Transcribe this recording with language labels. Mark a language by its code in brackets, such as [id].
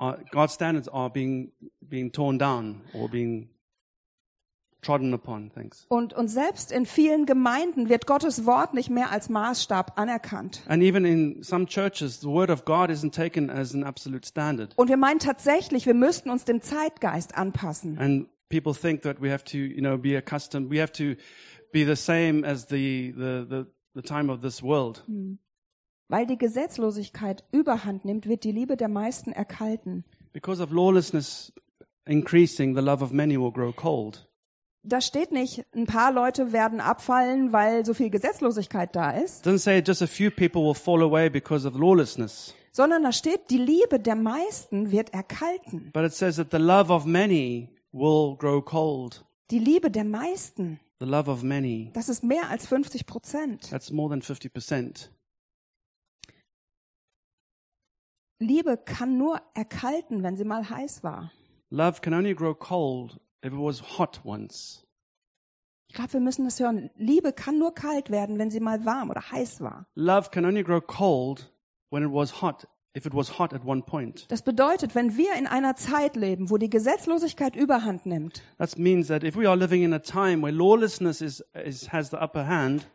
[en] God's standards are being torn down or being trodden upon. Thanks. [de] Und selbst in vielen Gemeinden wird Gottes Wort nicht mehr als Maßstab anerkannt. [en] And even in some churches, the word of God isn't taken as an absolute standard. [de] Und wir meinen tatsächlich, wir müssten uns dem Zeitgeist anpassen. [en] And people think that we have to, you know, be accustomed. We have to be the same as the time of this world. Hm. [de] Weil die Gesetzlosigkeit Überhand nimmt, wird die Liebe der meisten erkalten. [en] Because of lawlessness increasing, the love of many will grow cold. [de] Da steht nicht, ein paar Leute werden abfallen, weil so viel Gesetzlosigkeit da ist. [en] Doesn't say just a few people will fall away because of lawlessness. [de] sondern da steht, die Liebe der meisten wird erkalten. [en] But it says that the love of many will grow cold. [de] Die Liebe der meisten. [en] The love of many. [de] Das ist mehr als 50%. [en] That's more than 50%. [de] Liebe kann nur erkalten, wenn sie mal heiß war. [en] Love can only grow cold if it was hot once. [de] Ich glaube, wir müssen das hören. Liebe kann nur kalt werden, wenn sie mal warm oder heiß war. [en] Love can only grow cold when it was hot, if it was hot at one point. [de] Das bedeutet, wenn wir in einer Zeit leben, wo die Gesetzlosigkeit Überhand nimmt. [en] That means that if we are living in a time where lawlessness is has the upper hand.